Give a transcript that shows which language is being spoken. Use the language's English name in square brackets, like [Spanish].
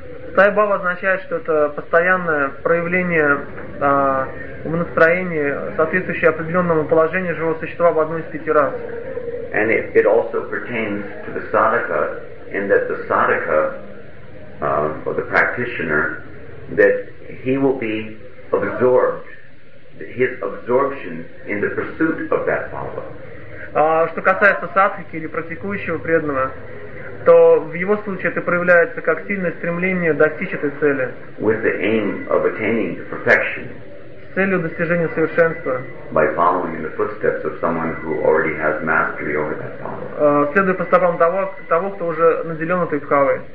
[Russian] Стхай бава означает, что это постоянное проявление умонастроения, соответствующее определенному положению живого существа в одной из пяти рас. [English] And it also pertains to the sadhaka, in that the sadhaka, or the practitioner, that he will be absorbed, his absorption in the pursuit of that bhava. [Russian] Что касается садхики или практикующего преданного, то в его случае это проявляется как сильное стремление достичь этой цели. [English] With the aim of attaining perfection. [Russian] С целью достижения совершенства. [English] By following in the footsteps of someone who already has mastery over that path. [Russian] Следуя по стопам того, кто уже наделен этой бхавой.